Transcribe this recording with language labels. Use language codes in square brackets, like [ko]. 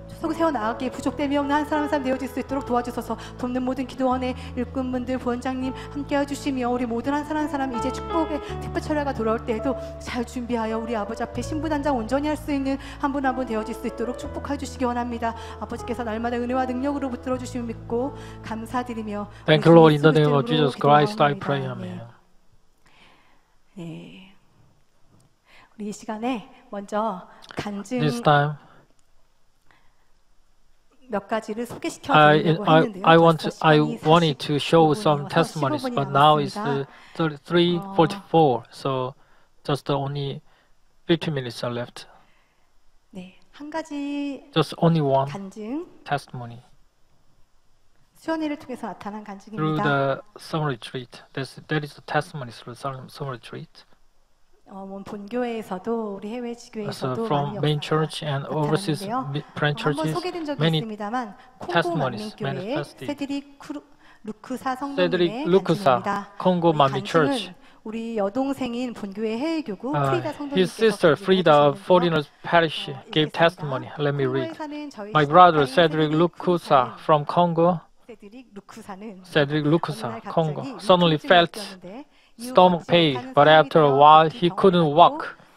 [ko] 속을 세워나가기에 부족됨이 없는 한 사람 한 사람 되어질 수 있도록 도와주셔서 돕는 모든 기도원의 일꾼분들 부원장님 함께 해주시며 우리 모든 한 사람 한 사람 이제 축복의 특별 철회가 돌아올 때에도 잘 준비하여 우리 아버지 앞에 신부단장 온전히 할 수 있는 한 분 한 분 되어질 수 있도록 축복해 주시기 원합니다. 아버지께서 날마다 은혜와 능력으로 붙들어 주심을 믿고 감사드리며 [en] Thank you Lord in the name of Jesus Christ I pray. Amen. [ko] 네. 우리 이 시간에 먼저 간증 [en] This time, [ko] 몇 가지를 소개시켜 드리려고 했는데요. [en] I wanted to show some testimonies, but now it's 3:44, so just only 15 minutes are left. [ko] 네, 한 가지 [en] just only one [ko] 간증 [en] testimony. [ko] 수연회를 통해서 나타난 간증입니다. [en] Through the summer retreat, that is the testimony through the summer retreat. [ko] 본교회에서도 우리 해외 지교회에서도 [en] so from main church and overseas branch churches, [ko] 소개된 적이 [en] many [ko] 있습니다만, [en] testimonies [ko] 만민교회, [en] Cedric [ko] 루크사 성도님의 간증입니다. [en] Congo Mami Church. [ko] 우리 여동생인 본교회 해외 교구 프리다 성도님께서 [en] His sister Frida of Foreigners Parish gave testimony. Let me read. My brother Cedric Lukusa from Congo. Cedric Lukusa, Congo, suddenly felt stomach pain, but after a while he couldn't walk.